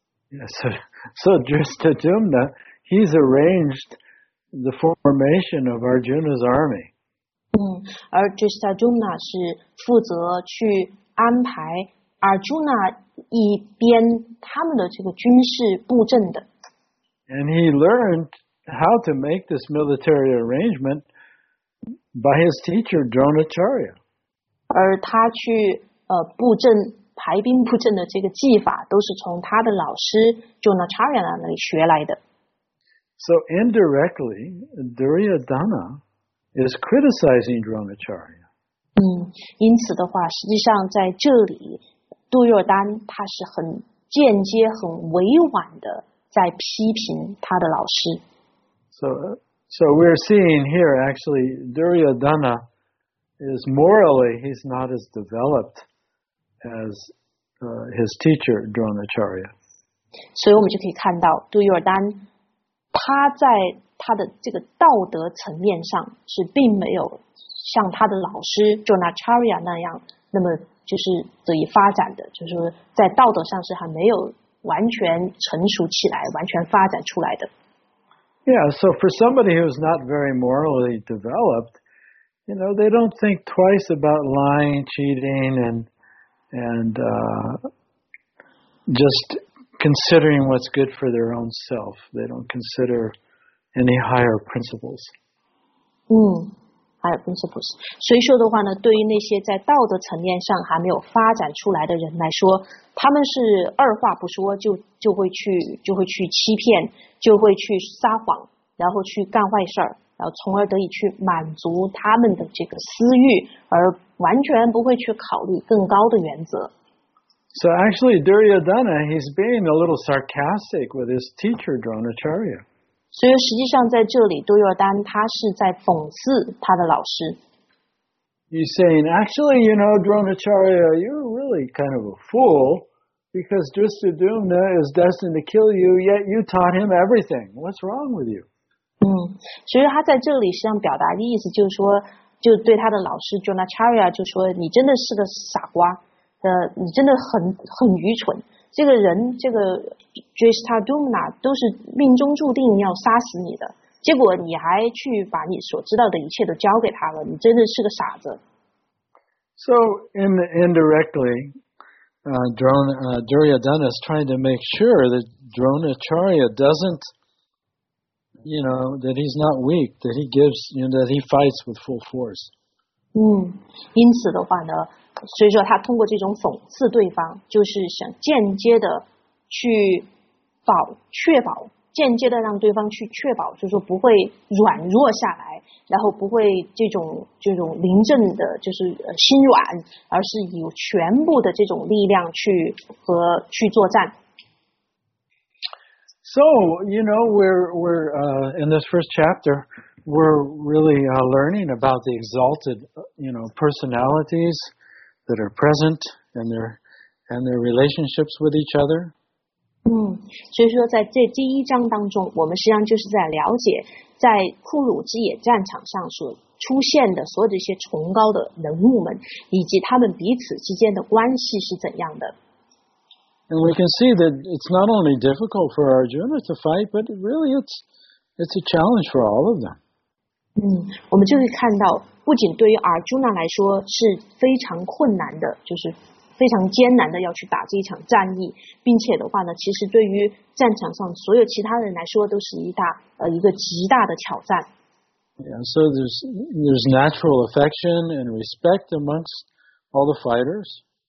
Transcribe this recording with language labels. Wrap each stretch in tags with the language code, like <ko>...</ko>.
<en>Yes, so Drishtadyumna, he's arranged the formation of Arjuna's army.</en> <zh>而 Drishtadyumna 是负责去安排 Arjuna 一边他们的这个军事布阵的。</zh> <en>And he learned how to make this military arrangement by his teacher Dronacharya.</en> <zh>而他去布阵排兵布阵的这个技法都是从他的老师 Dronacharya 那里学来的。</zh> <en>So indirectly, Duryodhana is criticizing Dronacharya.</en> <zh>因此的话，实际上在这里，杜若丹他是很间接、很委婉的。在批评他的老师。</zh> <en>So we're seeing here actually Duryodhana is morally he's not as developed as his teacher Dronacharya.</en> <zh>所以我们就可以看到杜若丹他在他的这个道德层面上是并没有像他的老师 Dronacharya 那样那么就是得以发展的，就是在道德上是还没有完全成熟起来，完全发展出来的。</zh> <en>Yeah, so for somebody who's not very morally developed, you know, they don't think twice about lying, cheating, and just considering what's good for their own self. They don't consider any higher principles. higher principles.</en> <zh>所以说的话呢，对于那些在道德层面上还没有发展出来的人来说，他们是二话不说就会去欺骗，就会去撒谎，然后去干坏事，然后从而得以去满足他们的这个私欲，而完全不会去考虑更高的原则。</zh> <en>So actually, Duryodhana, he's being a little sarcastic with his teacher Dronacharya.</en> <zh>所以实际上在这里，杜若丹他是在讽刺他的老师。</zh> <en>He's saying, actually, you know, Dronacharya, you're really kind of a fool because Drishtadyumna is destined to kill you, yet you taught him everything. What's wrong with you?</en> <zh>所以他在这里实际上表达的意思就是说，就对他的老师 Dronacharya 就说，你真的是个傻瓜，你真的很愚蠢。这个人，这个 Drishtadyumna 都是命中注定要杀死你的。结果你还去把你所知道的一切都交给他了，你真的是个傻子。</zh> <en>So indirectly, Duryodhana is trying to make sure that Dronacharya doesn't, you know, that he's not weak, that he gives, you know, that he fights with full force.</en> <zh>因此的话呢，所以说他通过这种讽刺对方，就是想间接的去确保。间接的让对方去确保，就是说不会软弱下来，然后不会这种临阵的，就是心软，而是有全部的这种力量去作战。</zh> <en>So you know we're in this first chapter, we're really learning about the exalted, you know, personalities that are present and their relationships with each other.</en> <zh>所以说在这第一章当中，我们实际上就是在了解在库鲁之野战场上所出现的所有这些崇高的人物们以及他们彼此之间的关系是怎样的。</zh> <en>And we can see that it's not only difficult for Arjuna to fight, but really it's a challenge for all of them.</en> <zh>我们就会看到，不仅对于 Arjuna 来说是非常困难的，就是非常艰难的要去打这一场战役，并且的话呢，其实对于战场上所有其他人来说，都是一个极大的挑战。</zh> <en>Yeah, so there's natural affection and respect amongst all the fighters.</en>